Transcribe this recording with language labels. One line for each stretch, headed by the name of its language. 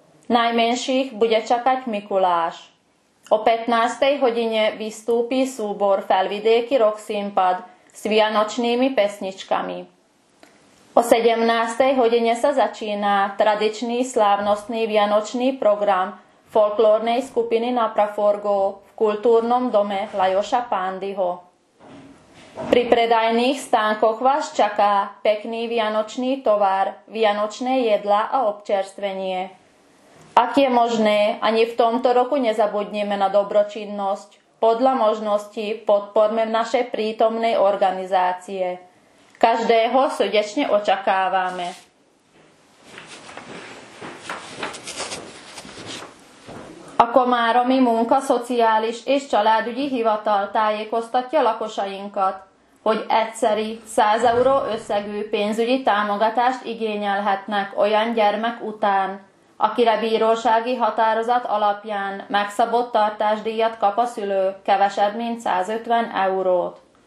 Slovak: Najmenších bude čakať Mikuláš. O 15. hodine vystúpi súbor Felvidéky Rock Sympad s vianočnými pesničkami. O 17. hodine sa začína tradičný slávnostný vianočný program folklórnej skupiny Na Praforgo v kultúrnom dome Lajoša Pándyho. Pri predajných stánkoch vás čaká pekný vianočný tovar, vianočné jedla a občerstvenie. Ak je možné, ani v tomto roku nezabudneme na dobročinnosť. Podľa možností podporme naše prítomné organizácie. Každého srdečne očakávame.
Hungarian: A Komáromi munka szociális és családügyi hivatal tájékoztatja lakosainkat, hogy egyszeri 100 euró összegű pénzügyi támogatást igényelhetnek olyan gyermek után, akire bírósági határozat alapján megszabott tartásdíjat kap a szülő kevesebb mint 150 eurót.